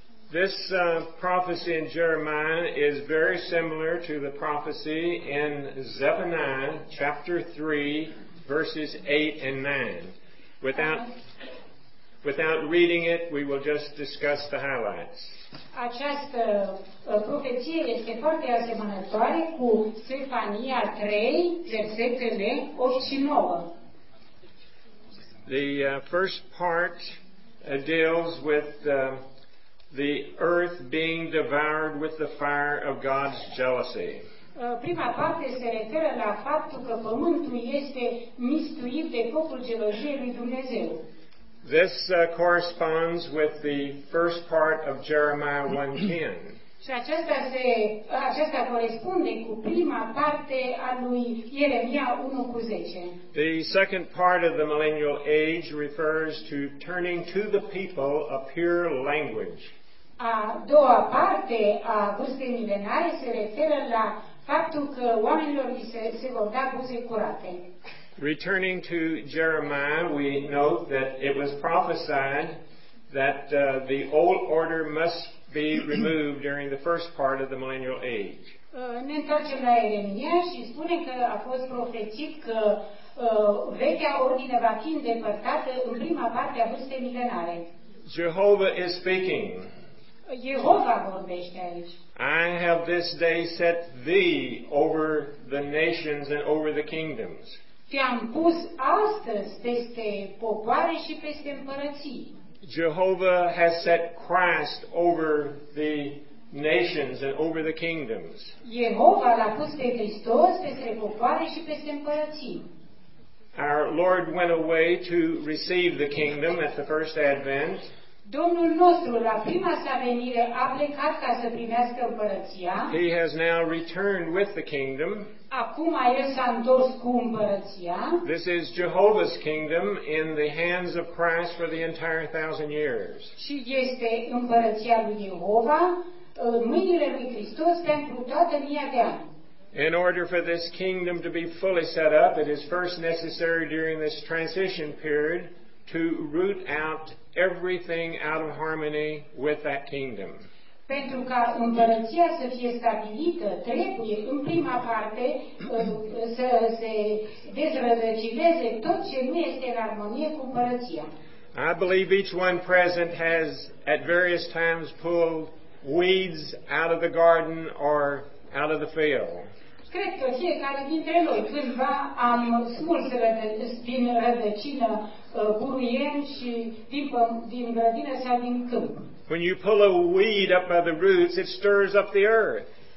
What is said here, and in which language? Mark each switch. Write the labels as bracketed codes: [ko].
[en] This prophecy in Jeremiah is very similar to the prophecy in Zephaniah chapter 3 verses 8 and 9. Without reading it, we will just discuss the highlights. [ro] Această profeție este foarte asemănătoare cu Sefania 3, versetele 8 și 9. [en] The first part deals with the earth being devoured with the fire of God's jealousy. [ro] Prima parte se referă la faptul că pământul este mistuit de focul geloziei lui Dumnezeu. [en] This corresponds with the first part of Jeremiah 1:10. [ro] Și aceasta corespunde cu prima parte a lui Ieremia 1:10. [en] The second part of the millennial age refers to turning to the people a pure language. [ro] A doua parte a vârstei milenare se referă la faptul că oamenilor se vor da buze curate. [en] Returning to Jeremiah, we note that it was prophesied that the old order must be removed during the first part of the millennial age. [ro] Ne întoarcem la Ieremia și spune că a fost profețit că vechea ordine va fi îndepărtată în prima parte a vârstei milenare. [en] Jehovah is speaking. [ro] Jehovah vorbește aici. [en] I have this day set thee over the nations and over the kingdoms. [ro] Te-am pus astăzi peste popoare și peste împărății. [en] Jehovah has set Christ over the nations and over the kingdoms. [ro] Jehovah l-a pus pe Hristos peste popoare și peste împărății. [en] Our Lord went away to receive the kingdom at the first advent. [ro] Domnul nostru, la prima sa venire, a plecat ca să primească împărăția. [en] He has now returned with the kingdom. [ro] Acum el s-a întors cu împărăția. [en] This is Jehovah's kingdom in the hands of Christ for the entire 1,000 years. [ro] Și este împărăția lui Jehova în mâinile lui Hristos pentru toată 1,000 de ani. [en] In order for this kingdom to be fully set up, it is first necessary during this transition period to root out everything out of harmony with that kingdom. [ro] Pentru ca împărăția să fie stabilită, trebuie în prima parte să se dezrădăcineze tot ce nu este în armonie cu împărăția. [en] I believe each one present has at various times pulled weeds out of the garden or out of the field. [ro] Cred că fiecare dintre noi cândva am smuls din rădăcină buruieni și din grădină sau din câmp. [en] When you pull a weed up by the roots, it stirs up the earth.